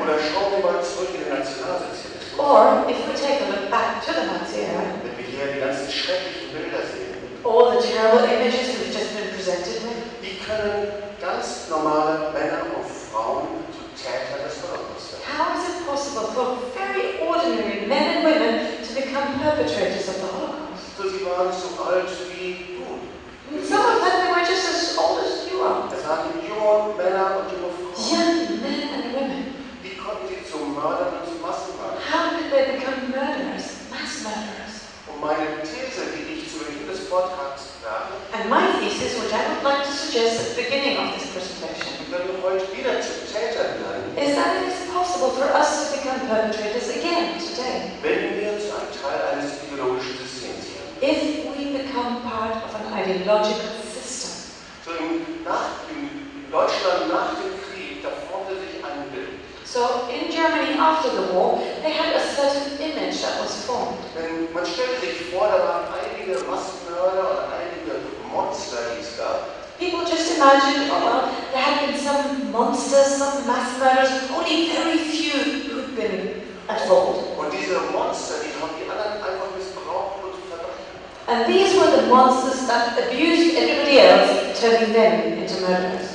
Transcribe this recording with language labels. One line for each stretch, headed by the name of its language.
German: Oder schauen wir mal zurück in den Nationalsozialismus.
English: Or, if we take a look back to the Nazi era,
German: wenn wir hier die ganzen schrecklichen Bilder sehen,
English: all the terrible images we've just been presented with,
German: wie können ganz normale Männer und Frauen zu Tätern des Holocaust sein?
English: How is it possible for very ordinary men and women to become perpetrators of the Holocaust?
German: So sie waren so alt wie du.
English: Some of them were just as old as you are.
German: Es waren junge Männer und junge Frauen.
English: Young men and women.
German: Wie konnten sie zu Mördern und zu Massenmördern?
English: How did they become murderers, mass murderers?
German: Und meine These, die ich zu Beginn des Vortrags sage.
English: And my thesis, which I would like to suggest at the beginning of this presentation.
German: Wenn wir heute wieder zu Tätern werden.
English: Is that it is possible for us to become perpetrators again today?
German: Wenn wir zu einem Teil eines ideologischen Systems werden.
English: If we become part of an ideological system.
German: So in Deutschland nach dem Krieg, da formte sich ein Bild.
English: So in Germany after the war, they had a certain image that was formed.
German: Denn man stellte sich vor, da waren einige Massenmörder und einige Monster, die es gab.
English: People just imagined, oh well, there had been some monsters, some mass murders, only very few who'd been at fault.
German: Und diese Monster, die haben die anderen einfach missbraucht und verdrängt.
English: And these were the monsters that abused everybody else, turning them into murderers.